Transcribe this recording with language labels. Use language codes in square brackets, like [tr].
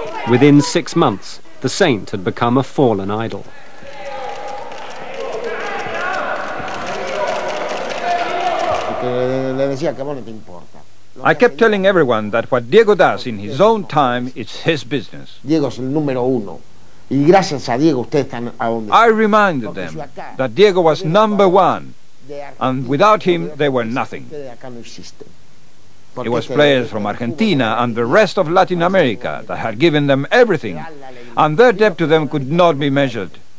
[en] Within 6 months, the saint had become a fallen idol. I kept telling everyone that what Diego does in his own time, it's his business. [es] Diego es el número uno. Y gracias a Diego ustedes están a donde. [en] I reminded them that Diego was number one, and without him they were nothing. It was players from Argentina and the rest of Latin America that had given them everything, and their debt to them could not be measured.